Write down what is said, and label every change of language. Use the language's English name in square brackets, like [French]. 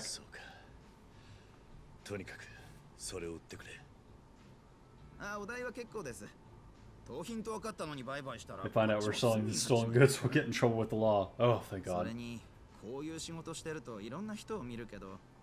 [Japanese] そうか。とにかくそれを売ってくれ。あ、お代は結構です。盗品と分かったのに売買したら、 [English] If I find out we're selling the stolen goods, we'll get in trouble with the law. Oh, thank God. [Japanese] それにこういう仕事してるといろんな人を見るけど。